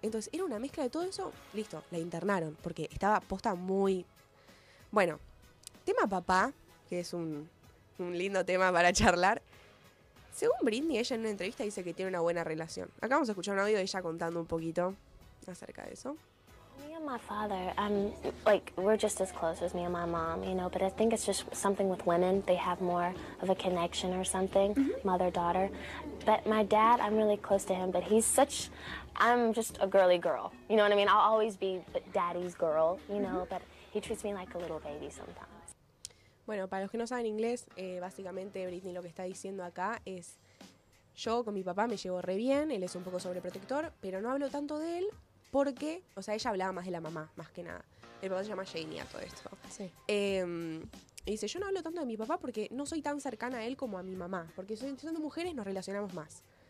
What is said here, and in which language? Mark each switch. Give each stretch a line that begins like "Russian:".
Spanish: Entonces, era una mezcla de todo eso, listo, la internaron, porque estaba posta muy... Bueno, tema papá, que es un lindo tema para charlar. Según Britney, ella en una entrevista dice que tiene una buena relación. Acá vamos a escuchar un audio de ella contando un poquito acerca de eso.
English: Me and my father, like, we're just as close as me and my mom, you know, but I think it's just something with women, they have more of a connection or something, mother-daughter. But my dad, I'm really close to him, but he's such, I'm just a girly girl, you know what I mean? I'll always be daddy's girl, you know, but he treats me like a little baby sometimes.
Spanish: Bueno, para los que no saben inglés, básicamente Britney lo que está diciendo acá es yo con mi papá me llevo re bien, él es un poco sobreprotector, pero no hablo tanto de él porque, o sea, ella hablaba más de la mamá, más que nada. El papá se llama Jamie a todo esto. Sí. Dice, yo no hablo tanto de mi papá porque no soy tan cercana a él como a mi mamá, porque siendo mujeres nos relacionamos más.